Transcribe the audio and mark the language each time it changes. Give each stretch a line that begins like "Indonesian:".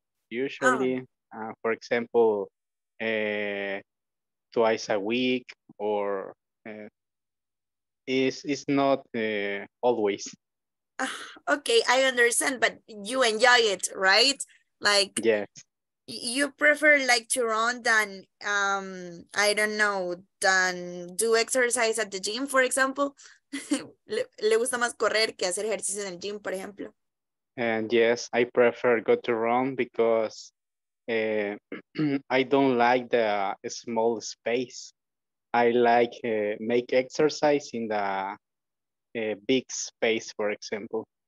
English: Usually, for example, twice a week or it's not always. Okay, I understand, but you enjoy it, right? Like yes. You prefer like to run than I don't know than do exercise at the gym, for example.
Spanish: ¿Le gusta más correr que hacer ejercicio en el gym, por ejemplo?
English: And yes, I prefer go to run because I don't like the small space. I like make exercise in the big space, for example.